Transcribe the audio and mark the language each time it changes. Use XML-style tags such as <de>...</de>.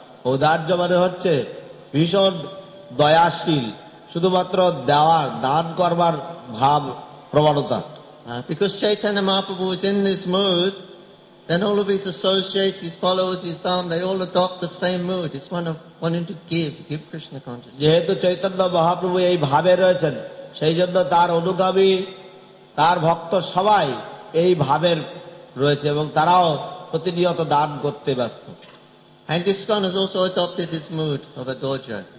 <bn>ঔদার্য মানে হচ্ছে ভীষণ দয়াশীল, শুধুমাত্র দেওয়ার দান করবার ভাব প্রবণতা।</bn> <en>Because Chaitanya Mahaprabhu is in this mood, then all of his associates, his followers, his dham, they all adopt the same mood. It's one of wanting to give Krishna consciousness.</en> <bn>যেহেতু চৈতন্য মহাপ্রভু এই ভাবে রয়েছেন সেই জন্য তার অনুগামী তার ভক্ত সবাই এই ভাবের রয়েছে এবং তারাও প্রতিনিয়ত দান করতে ব্যস্ত।</bn> <en>And ISKCON has also adopted this mood of a doja.</en>